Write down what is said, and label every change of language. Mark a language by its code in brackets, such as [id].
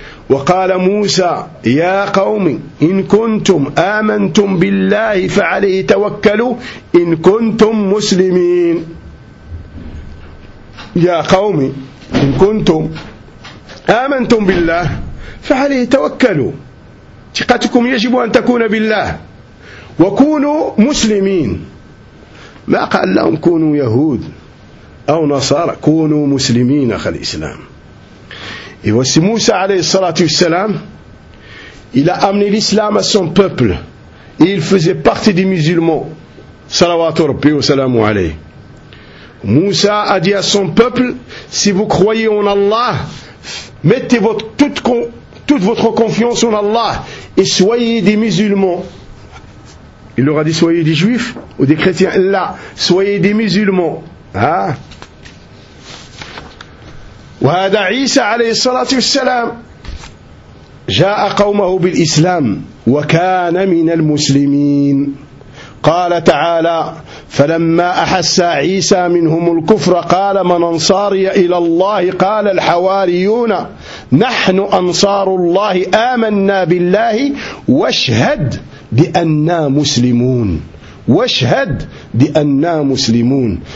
[ar] وقال موسى يا قوم إن كنتم آمنتم بالله فعليه توكلوا إن كنتم مسلمين يا قوم إن كنتم آمنتم بالله فعليه توكلوا ثقتكم يجب أن تكون بالله وكونوا مسلمين ما قال لهم كونوا يهود أو نصارى كونوا مسلمين أخ الإسلام. [fr] Et voici Moussa alayhi salatu wassalam, il a amené l'islam à son peuple et il faisait partie des musulmans. Salawatu rabbi wa salamu alayhi. Moussa a dit à son peuple, si vous croyez en Allah, mettez toute votre confiance en Allah et soyez des musulmans. Il leur a dit soyez des juifs ou des chrétiens. Là, soyez des musulmans. Hein? [ar] وهذا عيسى عليه الصلاة والسلام جاء قومه بالإسلام وكان من المسلمين قال تعالى فلما أحس عيسى منهم الكفر قال من أنصاري إلى الله قال الحواريون نحن أنصار الله آمنا بالله واشهد بأننا مسلمون واشهد بأننا مسلمون.